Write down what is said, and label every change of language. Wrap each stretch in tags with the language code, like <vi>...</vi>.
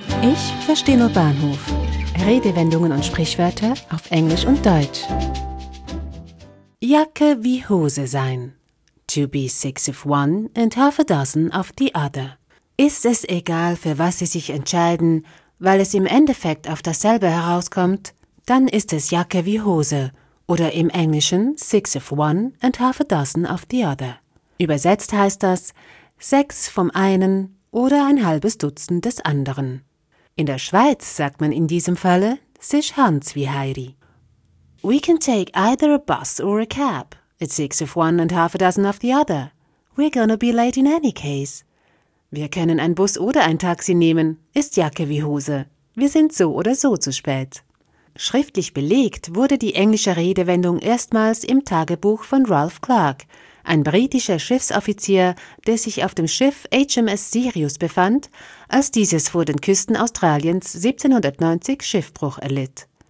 <de>Ich verstehe nur Bahnhof. Redewendungen und Sprichwörter auf Englisch und Deutsch. Jacke wie Hose sein.</de> <en>To be six of one and half a dozen of the other.</en> <de>Ist es egal, für was Sie sich entscheiden, weil es im Endeffekt auf dasselbe herauskommt, dann ist es Jacke wie Hose oder im Englischen</de> <en>six of one and half a dozen of the other.</en> <de>Übersetzt heißt das sechs vom einen oder ein halbes Dutzend des anderen. In der Schweiz sagt man in diesem Falle sich Hans wie Heidi.</de> <en>We can take either a bus or a cab. It's six of one and half a dozen of the other. We're gonna be late in any case.</en> <de>Wir können ein Bus oder ein Taxi nehmen, ist Jacke wie Hose. Wir sind so oder so zu spät. Schriftlich belegt wurde die englische Redewendung erstmals im Tagebuch von Ralph Clark, ein britischer Schiffsoffizier, der sich auf dem Schiff HMS Sirius befand, als dieses vor den Küsten Australiens 1790 Schiffbruch erlitt.</de>